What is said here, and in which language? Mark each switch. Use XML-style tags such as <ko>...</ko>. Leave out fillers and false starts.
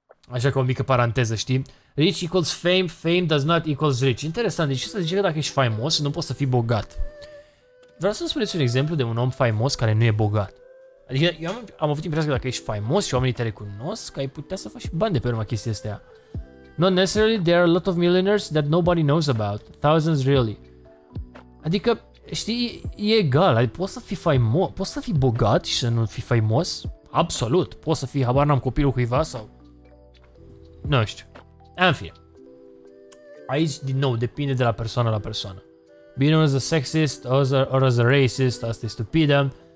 <ro>Așa că o mică paranteză, știi?</ro> <en>Rich equals fame, fame does not equals rich.</en> <ro>Interesant, deci ce să zice că dacă ești faimos, nu poți să fii bogat. Vreau să-mi spuneți un exemplu de un om faimos care nu e bogat. Adică eu am avut impresia că dacă ești faimos și oamenii te recunosc, că ai putea să faci bani de pe urma chestia astea.</ro> <en>Not necessarily, there are a lot of millionaires that nobody knows about. Thousands really.</en> <ro>Adică, știi, e egal, adică poți să fii faimos, poți să fii bogat și să nu fii faimos? Absolut, poți să fii, habar n-am, copilul cuiva sau... Nu știu. În fine. Aici, din nou, depinde de la persoană la persoană.</ro> <en>Being as a sexist or as a racist,</en> <ro>asta e stupidă.</ro>